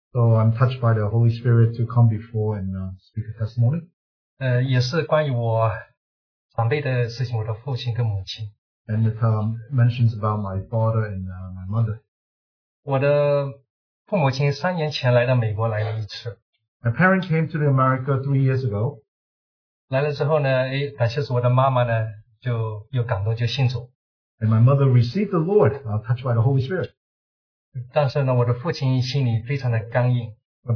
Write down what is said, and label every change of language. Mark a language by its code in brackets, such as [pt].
[en] So I'm touched by the Holy Spirit to come before and speak a testimony. [zh] 也是关于我长辈的事情,我的父亲跟母亲。 [en] And it mentions about my father and my mother. [zh] 我的父母亲三年前来到美国来了一次。 [en] My parents came to America 3 years ago. [zh] 来了之后呢,感谢是我的妈妈呢,就有感动就信主。 [en] And my mother received the Lord, touched by the Holy Spirit. [zh] 但是呢,我的父亲心里非常的刚硬。 [en] But